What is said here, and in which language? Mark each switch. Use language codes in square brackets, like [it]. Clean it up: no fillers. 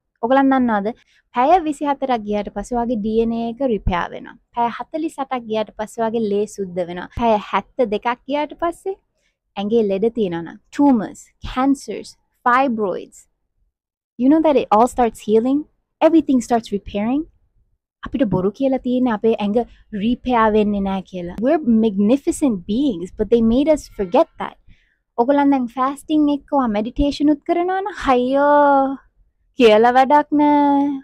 [si] ඔගලන් දන්නවද පැය 24ක් ගියාට පස්සේ වාගේ DNA එක රිපයර් වෙනවා පැය 48ක් ගියාට පස්සේ වාගේ ලේ සුද්ධ වෙනවා පැය 72ක් ගියාට පස්සේ ඇඟේ ලෙඩ තියෙනවා නේද [en] tumors cancers fibroids You know that it all starts healing? Everything starts repairing? [si] අපිට බොරු කියලා තියෙන අපේ ඇඟ රිපයර් වෙන්නේ නැහැ කියලා. [en] We're magnificent beings, but they made us forget that. [si] ඔගලන් දැන් fasting එකවා meditation උත් කරනවා නම් අයියෝ කියලා වැඩක් නැහැ.